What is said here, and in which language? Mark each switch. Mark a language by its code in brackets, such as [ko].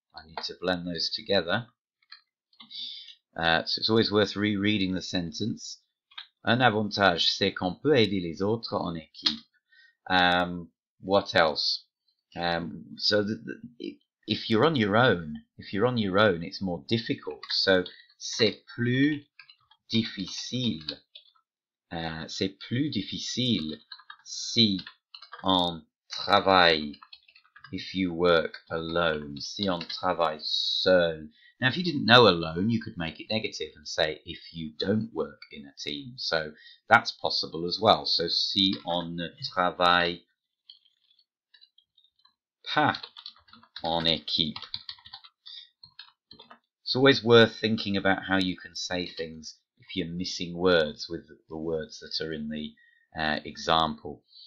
[en] I need to blend those together. So it's always worth rereading the sentence. [fr] un avantage, c'est qu'on peut aider les autres en équipe. [en] What else? If you're on your own, it's more difficult. [fr] So, c'est plus difficile. C'est plus difficile si on travaille, [en] if you work alone, [fr] si on travaille seul. [en] Now, if you didn't know alone, you could make it negative and say, if you don't work in a team. So, that's possible as well. [fr] So, si on ne travaille pas en équipe. [en] It's always worth thinking about how you can say things if you're missing words with the words that are in the example.